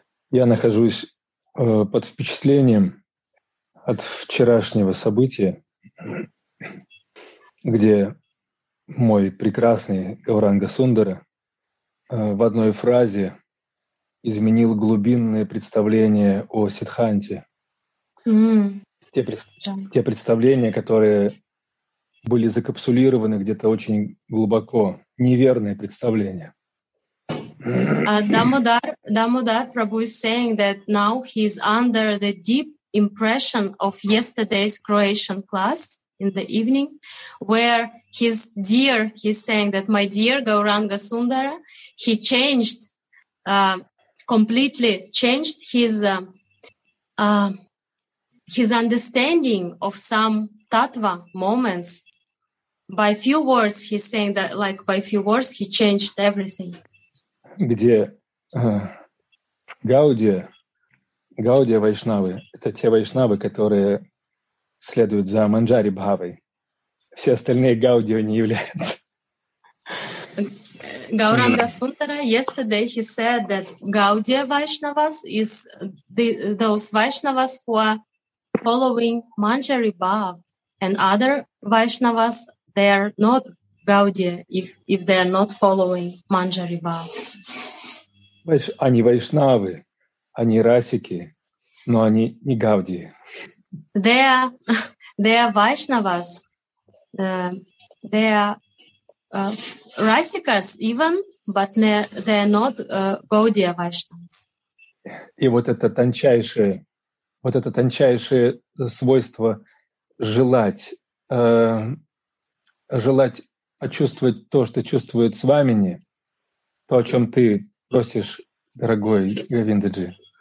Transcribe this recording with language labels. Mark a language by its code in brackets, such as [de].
[ru] Я нахожусь под впечатлением от вчерашнего события, где мой прекрасный Гауранга Сундара в одной фразе изменил глубинное представление о Сиддханте. Те представления, которые были закапсулированы где-то очень глубоко. Неверное представление. [en] Дамодар Прабху is saying that now he is under the deep impression of yesterday's Croatian class in the evening, where his dear, he's saying that my dear Gauranga Sundara, he changed, completely changed his understanding of some tattva moments. By few words, he's saying that, like, by few words, he changed everything. [ru] Где Гаудия Вайшнавы, это те Вайшнавы, которые следуют за Манджари Бхавой. Все остальные Гаудия не являются. [en] Гауранга Сундара, yesterday he said that Гаудия Вайшнавас is those Вайшнавас who are following Манджари Бхав, and other Вайшнавас, they are not Гаудия if they are not following Манджари Бхав. [ru] Они вайшнавы, они расики, но они не гауди. [en] They are vaishnavas. They are rasikas even, but they are not gaudiya vaishnavas. [ru] И вот это тончайшее свойство желать почувствовать то, что чувствует свамини, то, о чем ты просишь, дорогой Говиндаджи.